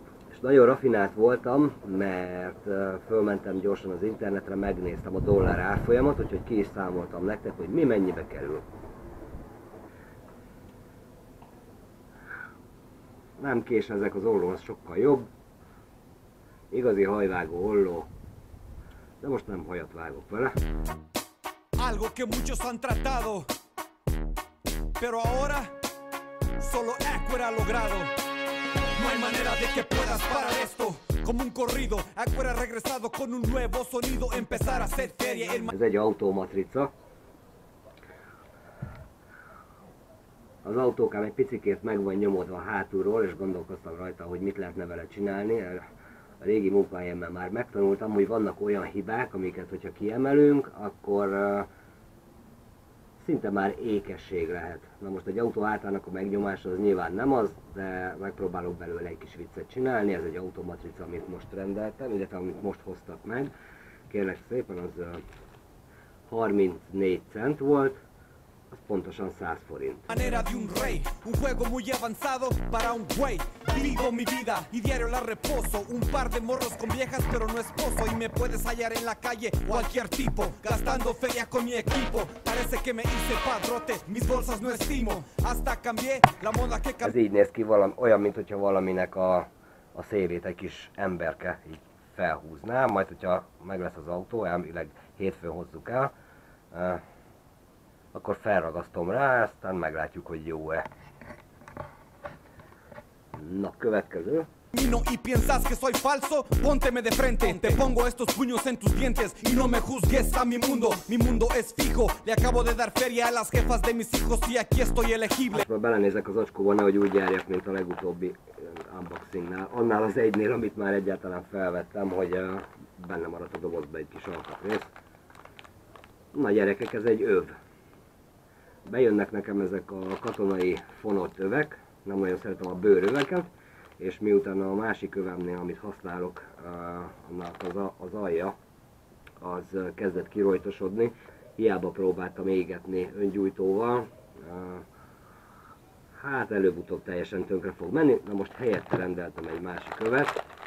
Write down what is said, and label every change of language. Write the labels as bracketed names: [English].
[Hungarian] És nagyon rafinált voltam, mert fölmentem gyorsan az internetre, megnéztem a dollár árfolyamat, úgyhogy ki is számoltam nektek, hogy mi mennyibe kerül. Nem kés ezek az olló, az sokkal jobb. Igazi hajvágó olló. De most nem hajat vágok vele. [Spanish] Algo que muchos han tratado. Pero ahora solo Acura ha logrado. No hay manera de que puedas parar esto. Como un corrido, Acura regresado con un nuevo sonido, empezar a hacer feria. [Hungarian] Ez egy automatrica. Az autókám egy picikét meg van nyomodva hátulról, és gondolkoztam rajta, hogy mit lehetne vele csinálni. A régi munkahelyemben már megtanultam, hogy vannak olyan hibák, amiket, hogyha kiemelünk, akkor szinte már ékesség lehet. Na most egy autó hátának a megnyomása az nyilván nem az, de megpróbálok belőle egy kis viccet csinálni. Ez egy automatrica, amit most rendeltem, illetve amit most hoztak meg. Kérlek szépen, az 34 cent volt. Az pontosan 100 forint. [Spanish] Manera de un rey, un juego muy avanzado para un güey. Vivo mi vida y diario la reposo. Un par de morros con viejas pero no esposo. Y me puedes hallar en la calle cualquier tipo. Gastando feria con mi equipo. Parece que me hice padrote, mis bolsas no estimo. Hasta cambié la moda que cambié. [Hungarian] Ez így néz ki, valami, olyan, mint hogyha valaminek a szélét egy kis emberke így felhúznám. Majd, hogyha meg lesz az autó, elmileg hétfőn hozzuk el. Akkor felragasztom rá, aztán meglátjuk, hogy jó-e. Na, következő. [Spanish] Mino y piensas que soy falso, pónteme de frente. Te pongo estos puños en tus dientes y no me juzgues a mi mundo. Mi mundo es fijo, le acabo de dar feria a las jefas de mis hijos y aquí estoy elegible. [Hungarian] Hát, belenézek az acskóba, nehogy úgy járjak, mint a legutóbbi unboxingnál. Annál az egynél, amit már egyáltalán felvettem, hogy benne maradt a dobozba egy kis alkatrész. Na gyerekek, ez egy öv. Bejönnek nekem ezek a katonai fonott övek, nem olyan szeretem a bőröveket, és miután a másik övemnél, amit használok, annak az alja, az kezdett kirojtosodni, hiába próbáltam égetni öngyújtóval, hát előbb-utóbb teljesen tönkre fog menni, na most helyette rendeltem egy másik övet.